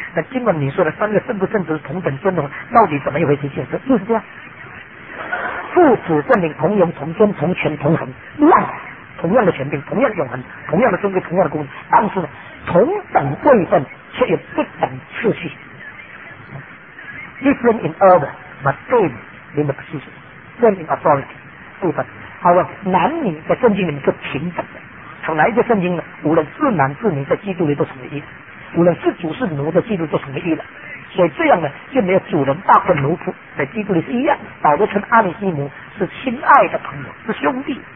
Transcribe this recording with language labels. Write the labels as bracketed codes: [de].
[zh] 那尽管你说的三个圣父圣子是同等尊荣，到底怎么一回事？就是这样，父子圣灵同荣同尊同权同衡，乱了，同样的权柄，同样的永恒，同样的尊贵，同样的功能，但是呢，同等位分却有不等次序。 [en] Different in order, but same in the position, same in authority. [zh] 部分，好了，男女在圣经里面是平等的。从哪一个圣经呢？无论是男是女，在基督里都成为一了；无论是主是奴，在基督都成为一了。所以这样呢，就没有主人大和奴仆，在基督里是一样。保罗称阿里西姆是亲爱的朋友，是兄弟。